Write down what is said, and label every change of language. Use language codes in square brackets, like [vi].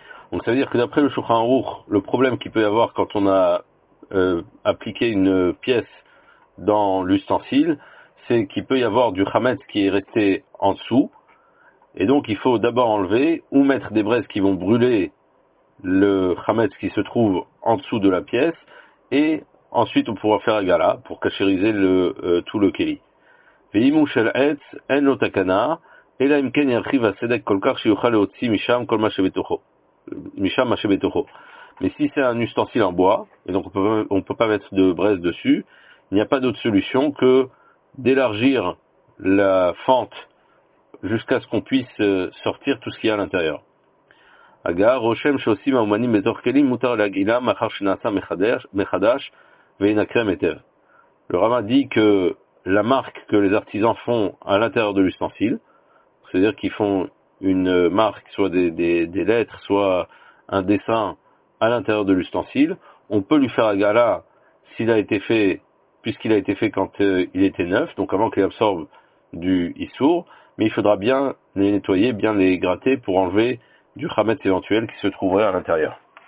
[fr] Donc ça veut dire que d'après le Shulchan Aruch, le problème qu'il peut y avoir quand on a appliqué une pièce dans l'ustensile, c'est qu'il peut y avoir du chametz qui est resté en dessous, et donc il faut d'abord enlever ou mettre des braises qui vont brûler le chametz qui se trouve en dessous de la pièce, et ensuite on pourra faire gala pour cachériser tout le keli. [he] ואימו של עץ אין לו תקנה, אלא אם כן ירחיב הסדק כל כך שיוכל להוציא משם כל מה שבתוכו. משם מה שבתוכו. [fr] Mais si c'est un ustensile en bois, et donc on peut pas mettre de braise dessus, il n'y a pas d'autre solution que d'élargir la fente jusqu'à ce qu'on puisse sortir tout ce qu'il y a à l'intérieur. [he] אגב, רושם שעושים האומנים בתוך כלים מותר להגעילם מאחר שנעשה מחדש וינקרם היטב. [fr] Le Rama dit que la marque que les artisans font à l'intérieur de l'ustensile, c'est-à-dire qu'ils font une marque, soit des lettres, soit un dessin à l'intérieur de l'ustensile, on peut lui faire agala s'il a été fait, puisqu'il a été fait quand il était neuf, donc avant qu'il absorbe du hissour, mais il faudra bien les nettoyer, bien les gratter pour enlever du chametz éventuel qui se trouverait à l'intérieur.